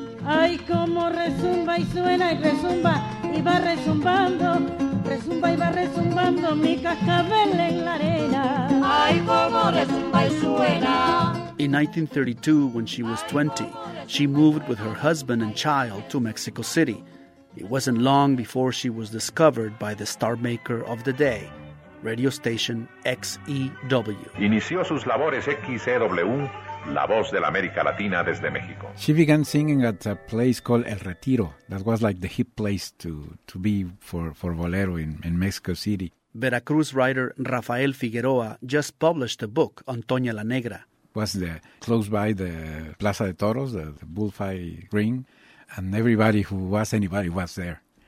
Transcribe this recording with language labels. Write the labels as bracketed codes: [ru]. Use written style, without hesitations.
[es] Ay, como resumba y suena y resumba y va resumbando, resumba y va resumbando mi cascabel en la arena. Ay, como resumba y suena. [en] In 1932, when she was 20, she moved with her husband and child to Mexico City. It wasn't long before she was discovered by the star maker of the day, radio station XEW. [es] Inició sus labores XEW, La Voz de la América Latina desde México. [en] She began singing at a place called El Retiro. That was like the hip place to be for bolero in Mexico City. Veracruz writer Rafael Figueroa just published a book on Toña la Negra. It was close by the Plaza de Toros, the bullfight ring, and everybody who was anybody was there.